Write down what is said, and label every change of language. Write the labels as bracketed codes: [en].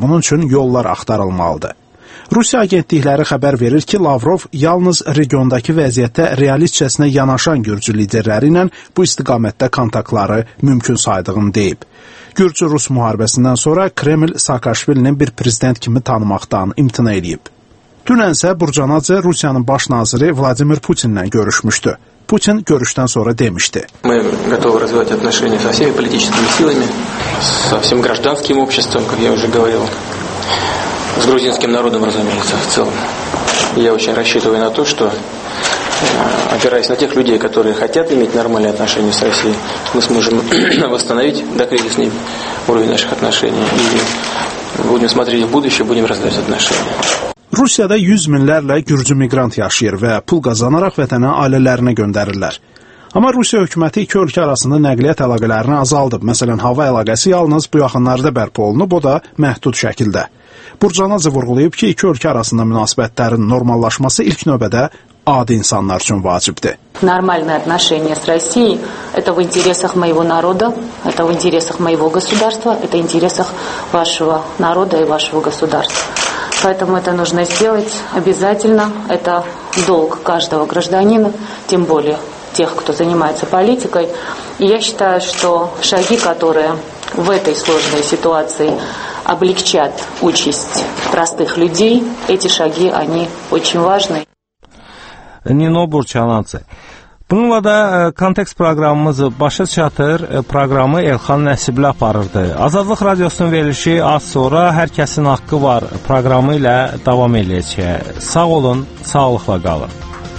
[az] Bunun üçün yollar axtarılmalıdır. Rusiya agentlikləri xəbər verir ki, Lavrov yalnız regiondakı vəziyyətə realistcəsinə yanaşan gürcü liderləri ilə bu istiqamətdə kontaktları mümkün saydığını deyib. Gürcü-Rus müharibəsindən sonra Kreml Saakashvilini bir prezident kimi tanımaqdan imtina edib. Dünən isə Burcanadze Rusiyanın baş naziri Vladimir Putinlə görüşmüşdü. Putin görüşdən sonra demişdi. [ru] Мы готовы развивать отношения со всеми политическими силами, со всем гражданским обществом, как я уже говорил, с грузинским народом, разумеется, в целом. Я очень рассчитываю на то, что опираясь на тех людей, которые хотят иметь нормальные отношения с Россией, мы сможем восстановить докризисный уровень наших отношений и будем смотреть в будущее, будем развивать отношения. [az] Rusiyada 100 minlərlə gürcü miqrant yaşayır və pul qazanaraq vətənə ailələrinə göndərirlər. Amma Rusiya hökuməti iki ölkə arasında nəqliyyat əlaqələrini azaldıb. Məsələn, hava əlaqəsi yalnız bu yaxınlarda bərpa olunub, o da məhdud şəkildə. Burcanacı vurğulayıb ki, iki ölkə arasında münasibətlərin normallaşması ilk növbədə adi insanlar üçün vacibdir. [ru] Нормальные отношения с Россией – это в интересах моего народа, это в интересах моего государства, это в интересах вашего народа и вашего государства. Поэтому это нужно сделать обязательно. Это долг каждого гражданина, тем более тех, кто занимается политикой. И я считаю, что шаги, которые в этой сложной ситуации облегчат участь простых людей, эти шаги, они очень важны. [az] Nino Burçananca. Bununla da kontekst proqramımız başa çatır, proqramı Elxan Nəsiblə aparırdı. Azadlıq Radiosunun verilişi az sonra Hər Kəsin Haqqı Var proqramı ilə davam edəcək. Sağ olun, sağlıqla qalın.